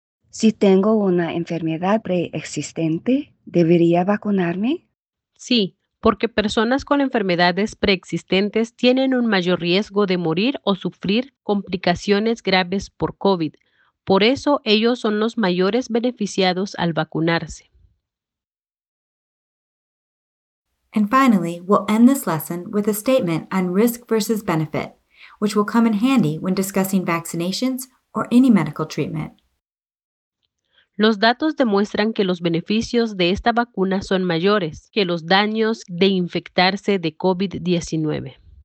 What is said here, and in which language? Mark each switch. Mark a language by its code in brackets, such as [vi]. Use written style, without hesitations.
[es] Si tengo una enfermedad preexistente, ¿debería vacunarme? Sí, porque personas con enfermedades preexistentes tienen un mayor riesgo de morir o sufrir complicaciones graves por COVID. Por eso, ellos son los mayores beneficiados al vacunarse. [en] And finally, we'll end this lesson with a statement on risk versus benefit, which will come in handy when discussing vaccinations or any medical treatment. [es] Los datos demuestran que los beneficios de esta vacuna son mayores que los daños de infectarse de COVID-19.